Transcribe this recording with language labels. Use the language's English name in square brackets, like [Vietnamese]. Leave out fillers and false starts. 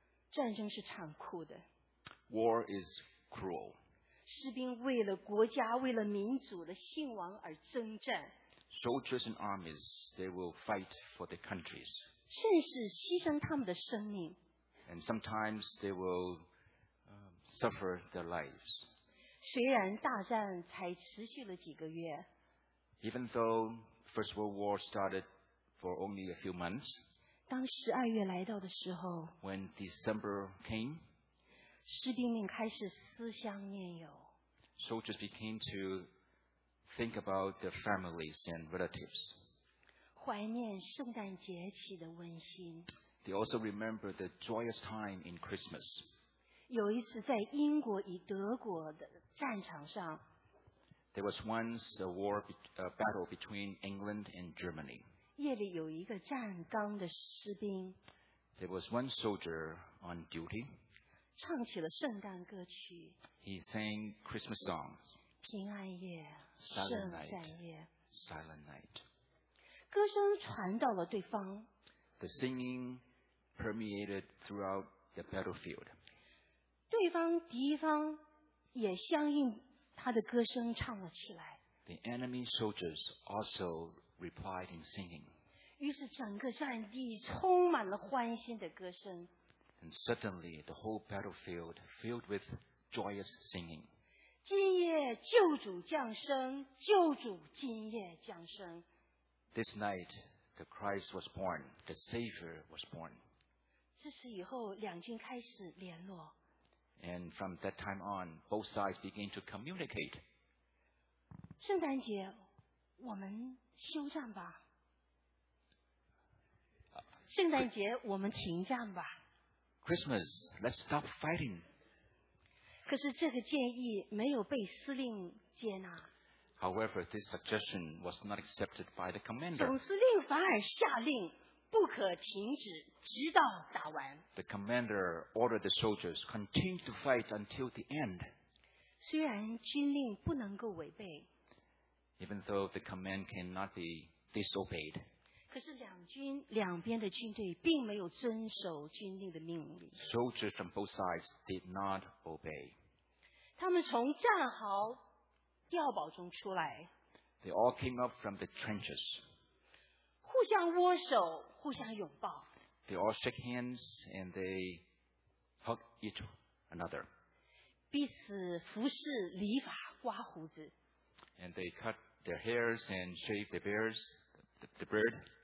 [Chinese] 战争是残酷的。 [English] War is cruel. [Chinese] 士兵为了国家，为了民族的兴亡而征战。 [English] Soldiers and armies, they will fight for their countries. [Chinese] 甚至牺牲他们的生命。 [English] And sometimes they will suffer their lives. [Chinese] 虽然大战才持续了几个月。 [English] Even though First World War started for only a few months. [Chinese] 当十二月来到的时候。 [English] When December came. [Chinese] 士兵们开始思乡念友。 [English] Soldiers began to think about their families and relatives. [Chinese] 怀念圣诞节起的温馨。 [English] They also remember the joyous time in Christmas. [Chinese] 有一次在英国与德国的战场上。 [English] There was once a war, a battle between England and Germany. [Chinese] 夜里有一个站岗的士兵。 [English] There was one soldier on duty. [Chinese] 唱起了圣诞歌曲。 [English] He sang Christmas songs. [Chinese] 平安夜， [English] Silent [Chinese] 圣诞夜。 [English] Silent night. [Chinese] 歌声传到了对方。 [English] The singing permeated throughout the battlefield. [Chinese] 对方敌方也相应他的歌声唱了起来。 [English] The enemy soldiers also replied in singing. [Chinese] 于是整个战地充满了欢欣的歌声。 [English] And suddenly, the whole battlefield filled with joyous singing. [Chinese] 今夜救主降生，救主今夜降生。 [English] This night, the Christ was born, the Savior was born. [Chinese] 自此以后，两军开始联络。 [English] And from that time on, both sides began to communicate. [Chinese] 圣诞节，我们休战吧。圣诞节，我们停战吧。 [English] Christmas, let's stop fighting. [Chinese] 可是这个建议没有被司令接纳。 [English] However, this suggestion was not accepted by the commander. [Chinese] 总司令反而下令不可停止，直到打完。 [English] The commander ordered the soldiers continue to fight until the end. [Chinese] 虽然军令不能够违背。 [English] Even though the command cannot be disobeyed. [Chinese] 可是两边的军队并没有遵守军令的命令。 [English] Soldiers from both sides did not obey. [Chinese] 他们从战壕碉堡中出来。 [English] They all came up from the trenches. [Chinese] 互相握手，互相拥抱。 [English] They all shook hands and they hugged each another. [Chinese] 彼此服侍、理发、刮胡子。 [English] And they cut their hairs and shaved their beards, the beard.